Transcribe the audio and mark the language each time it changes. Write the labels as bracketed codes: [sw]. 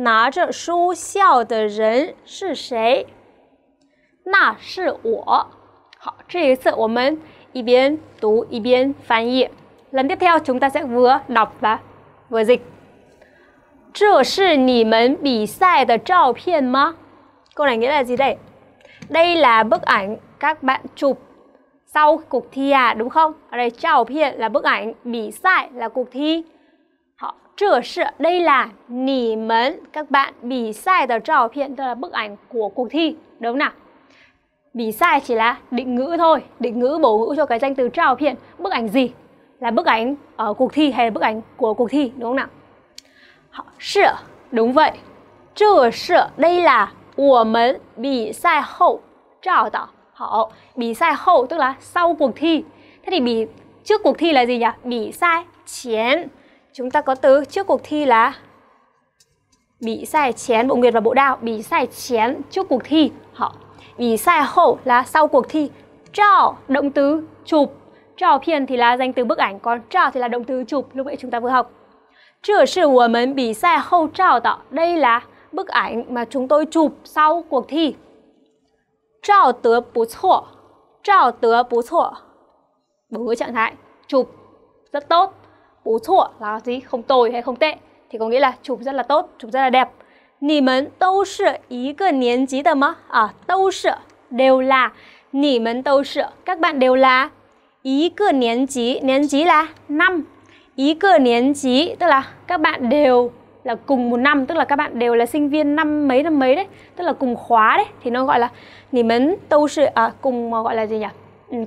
[zh] 不是,那个,还有那个,又高又漂亮的女孩是二年级的。旁边那个拿着书笑的人是谁? 那是我。好,这一次我们一边读一边翻译。 [vi] lần tiếp theo, chúng ta sẽ vừa đọc và vừa dịch. [zh] 这是你们比赛的照片吗? [vi] Câu này nghĩa là gì đây? Đây là bức ảnh các bạn chụp sau cuộc thi à, đúng không? Ở đây, 照片 là bức ảnh, 比赛 là cuộc thi. 好, 这是, đây là 你们, các bạn, [zh] 比赛的照片, [vi] tức là bức ảnh của cuộc thi, đúng không nào? 比赛 chỉ là định ngữ thôi, định ngữ bổ ngữ cho cái danh từ 照片, bức ảnh gì? Là bức ảnh ở cuộc thi hay là bức ảnh của cuộc thi, đúng không nào? 是, đúng vậy. [zh] 这是, [vi] đây là [zh] 我们比赛后照的. [vi] 好, 比赛后, tức là sau cuộc thi. Thế thì bị trước cuộc thi là gì nhỉ? [zh] 比赛前. [vi] Chúng ta có từ trước cuộc thi là 比赛前, bộ nguyệt và bộ đao. 比赛前, trước cuộc thi. 好, 比赛后 là sau cuộc thi. 照, động từ chụp. 照片 thì là danh từ bức ảnh, còn 照 thì là động từ chụp, lúc nãy chúng ta vừa học. [zh] 这是我们比赛后照的. [vi] Đây là bức ảnh mà chúng tôi chụp sau cuộc thi. [zh] 照得不错.照得不错. [vi] Bổ ngữ trạng thái, chụp rất tốt. 不错 là gì? Không tồi hay không tệ. Thì có nghĩa là chụp rất là tốt, chụp rất là đẹp. [zh] 你们都是一个年级的吗? [vi] À, 都是, đều là. [zh] 你们都是, [vi] các bạn đều là. 一个年级, 年级 là năm. 一个年级, tức là các bạn đều là cùng một năm, tức là các bạn đều là sinh viên năm mấy đấy, tức là cùng khóa đấy, thì nó gọi là [zh] 你们都是, [vi] à, cùng gọi là gì nhỉ?